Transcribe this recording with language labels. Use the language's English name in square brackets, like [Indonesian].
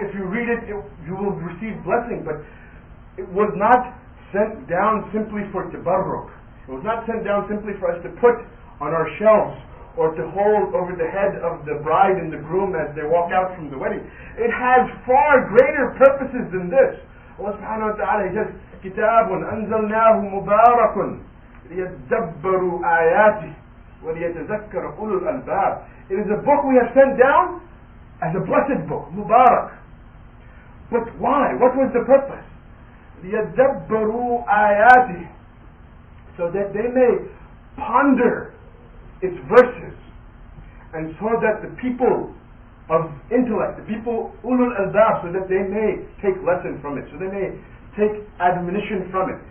[English] If you read it, you will receive blessing. But it was not sent down simply for tabarruk. It was not sent down simply for us to put on our shelves or to hold over the head of the bride and the groom as they walk out from the wedding. It has far greater purposes than this. [Arabic] Allah subhanahu wa ta'ala, [English] He says, [Arabic] كِتَابٌ أَنزَلْنَاهُ مُبَارَكٌ لِيَتْدَبَّرُوا آيَاتِهِ وَلِيَتَذَكَّرَ أُولُو الْأَلْبَابِ. [English] It is a book we have sent down as a blessed book, Mubarak. But why? What was the purpose? [Arabic] لِيَتْدَبَّرُوا آيَاتِهِ, [English] so that they may ponder its verses, and so that the people of intellect, the people ulul albab, so that they may take lesson from it, so they may take admonition from it.